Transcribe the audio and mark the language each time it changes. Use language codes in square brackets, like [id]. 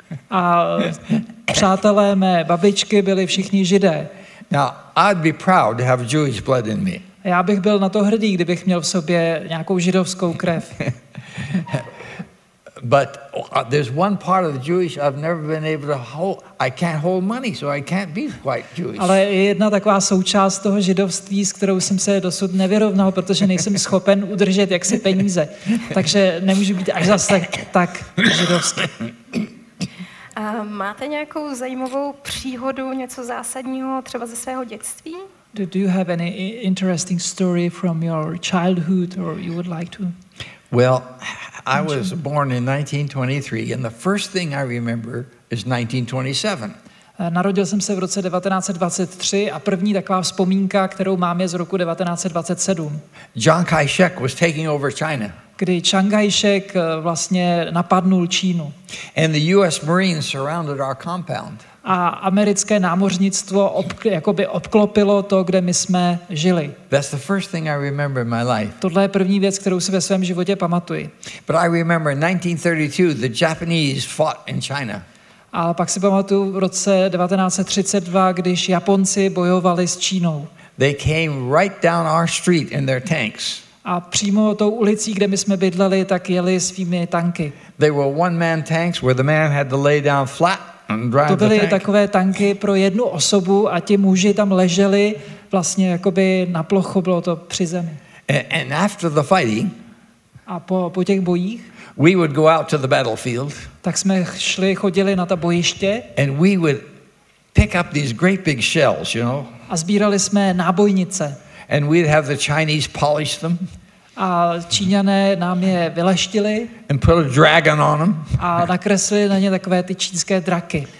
[cs] A přátelé mé babičky byli všichni Židé. [en] Now, I'd be proud to have Jewish blood in me. [cs] Já bych byl na to hrdý, kdybych měl v sobě nějakou židovskou krev. [en] But there's one part of the Jewish I've never been able to hold. I can't hold money, so I can't be quite Jewish. [cs] Ale je jedna taková součást toho židovství, s kterou jsem se dosud nevyrovnal, protože nejsem schopen udržet jaksi peníze. Takže nemůžu být až zase tak židovský. Máte nějakou zajímavou příhodu, něco zásadního třeba ze svého dětství? [en] Do you have any interesting story from your childhood or you would like to? Well, I was born in 1923 and the first thing I remember is 1927. [cs] Narodil jsem se v roce 1923 a první taková vzpomínka, kterou mám, je z roku 1927. [en] Chiang Kai-shek was taking over China. [cs] kdy Chiang Kai-shek vlastně napadnul Čínu. [en] And the US Marines surrounded our compound. [cs] A americké námořnictvo jakoby obklopilo to, kde my jsme žili. [en] That's the first thing I remember in my life. [cs] Tohle je první věc, kterou si ve svém životě pamatuji. [en] But I remember in 1932 the Japanese fought in China. [cs] A pak si pamatuju v roce 1932, když Japonci bojovali s Čínou. [en] They came right down our street in their tanks. [cs] A přímo tou ulicí, kde my jsme bydleli, tak jeli svými tanky. [en] They were one man tanks where the man had to lay down flat and drive the tank. [cs] To byly takové tanky pro jednu osobu a ti muži tam leželi vlastně jakoby na plochu, bylo to při zemi. [en] And after the fighting, [cs] a po těch bojích, [en] we would go out to the battlefield. [cs] Tak jsme šli, chodili na ta bojiště. [en] And we would pick up these great big shells, you know. [cs] A sbírali jsme nábojnice. [en] And we'd have the Chinese polish them. [cs] A Číňané nám je vyleštili. [en] And put a dragon on them. [cs] A nakreslili na ně takové ty čínské draky.